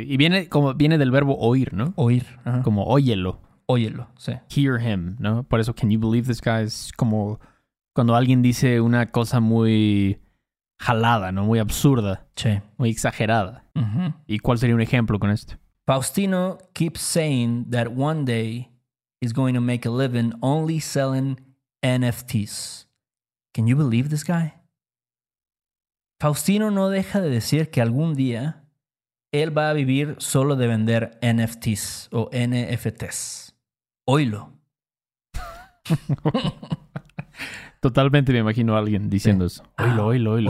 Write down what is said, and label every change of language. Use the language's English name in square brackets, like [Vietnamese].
[Spanish] Y viene como viene del verbo oír, ¿no? Oír. Ajá. Como óyelo. Óyelo, sí. [English] Hear him, [Spanish] ¿no? Por eso [English] "Can you believe this guy?" [Spanish] es como cuando alguien dice una cosa muy jalada, ¿no? Muy absurda. Sí. Muy exagerada. Uh-huh. ¿Y cuál sería un ejemplo con esto? [English] Faustino keeps saying that one day he's going to make a living only selling NFTs. Can you believe this guy? [Spanish] Faustino no deja de decir que algún día él va a vivir solo de vender NFTs o NFTs. Óilo. Totalmente me imagino a alguien diciendo sí. Eso. Oilo, oilo, oilo.